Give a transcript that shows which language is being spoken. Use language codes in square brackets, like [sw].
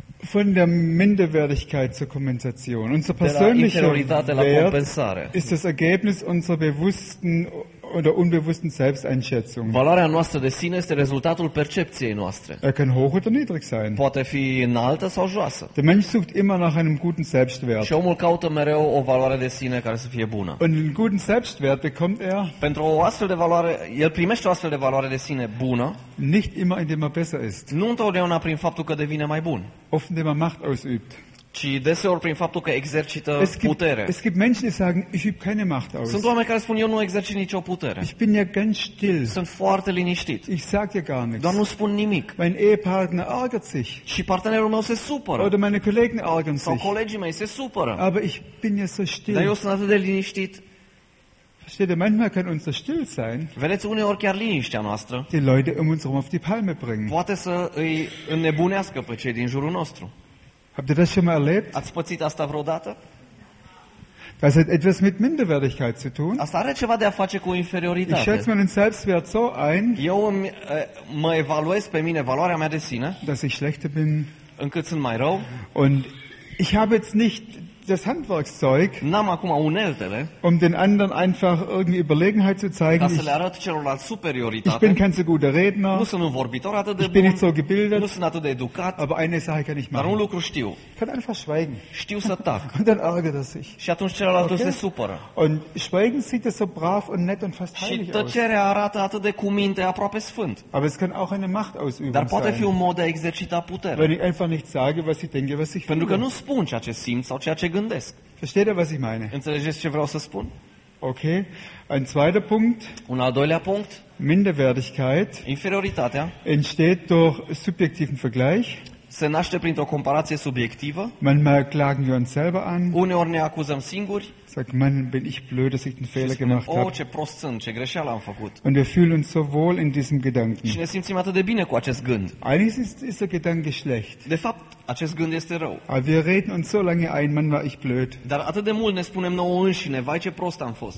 [de] Von der Minderwertigkeit zur Kompensation. Unser persönlicher Wert ist das Ergebnis unserer bewussten oder unbewussten Selbsteinschätzung. [ro] Valoarea noastră de sine este rezultatul percepției noastre. [de] Er kann hoch oder niedrig sein. [ro] Poate fi înaltă sau joasă. [de] Der Mensch sucht immer nach einem guten Selbstwert. [ro] Și omul caută mereu o valoare de sine care să fie bună. [de] Und einen guten Selbstwert bekommt er. [ro] Pentru o astfel de valoare, el primește o astfel de valoare de sine bună. [de] Nicht immer, indem er besser ist. [ro] Nu întotdeauna prin faptul că devine mai bun. [de] Oft, indem er Macht ausübt. [ro] Ci deseori prin faptul că exercită putere. [de] Es gibt Menschen, die sagen, ich übe keine Macht aus. [ro] Sunt oameni care spun, eu nu exercit nicio putere. [de] Ich bin ja ganz still. [ro] Sunt foarte liniștit. [de] Ich sage dir gar nichts. [ro] Doar nu spun nimic. [de] Mein Ehepartner ärgert sich. [ro] Și partenerul meu se supără. [de] Oder meine Kollegen ärgern sich. [ro] Sau colegii mei se supără. [de] Aber ich bin ja so still. [ro] Dar eu sunt atât de liniștit. [de] Versteht ihr, manchmal kann unser still sein. [ro] Vedeți, uneori chiar liniștea noastră. [de] Die Leute um uns herum auf die Palme bringen. [ro] Poate să îi înnebunească pe cei din jurul nostru. [de] Habt ihr das schon mal erlebt? [ro] Ați pățit asta vreodată? [de] Das hat etwas mit Minderwertigkeit zu tun. [ro] Asta are ceva de a face cu inferioritate. [de] Ich schätze meinen Selbstwert so ein. [ro] Eu mă evaluez pe mine valoarea mea de sine. [de] Dass ich schlechter bin. [ro] Încât sunt mai rău. [de] Und ich habe jetzt nicht das Handwerkszeug, [ro] n-am acum uneltele, [de] um den anderen einfach irgendwie Überlegenheit zu zeigen. [ro] Ca să le arăt celorlalți superioritate. [de] Ich bin kein so guter Redner. [ro] Nu sunt un vorbitor atât de bun. [de] Ich bin nicht so gebildet. [ro] Nu sunt atât de educat. [de] Aber eine Sache kann ich machen. [ro] Dar un lucru știu. [de] Kann einfach schweigen. [ro] Știu să tac. [de] Und dann ärgert er sich. [ro] Și atunci celălalt se supără. [de] Und schweigen sieht es so brav und nett und fast heilig aus. [ro] Și tăcerea arată atât de cuminte, aproape sfânt. [de] Aber es kann auch eine Macht ausüben. [ro] Dar poate fi un mod de a exercita putere. [de] Wenn ich einfach nicht sage, was ich denke, was ich fühle. [ro] Pentru că nu spun ceea ce simt sau ceea ce gândesc. [de] Versteht ihr, was ich meine? [ro] Înțelegeți ce vreau să spun? [de] Okay. Ein zweiter Punkt. [ro] Un al doilea punct. [de] Minderwertigkeit. [ro] Inferioritatea. [de] Entsteht durch subjektiven Vergleich. [ro] Se naște printr-o comparație subiectivă. [de] Manchmal klagen wir uns selber an. [ro] Uneori ne acuzăm singuri. [de] Sag, Mann, bin ich blöd, dass ich den Fehler gemacht habe. [ro] Ce prost sunt, ce greșeală am făcut. [de] Und wir fühlen uns so wohl in diesem Gedanken. [ro] Și ne simțim atât de bine cu acest gând. [de] Eigentlich ist der Gedanke schlecht. [ro] De fapt, acest gând este rău. [de] Aber wir reden uns so lange ein, Mann, war ich blöd. [ro] Dar atât de mult ne spunem nouă înșine, vai ce prost am fost.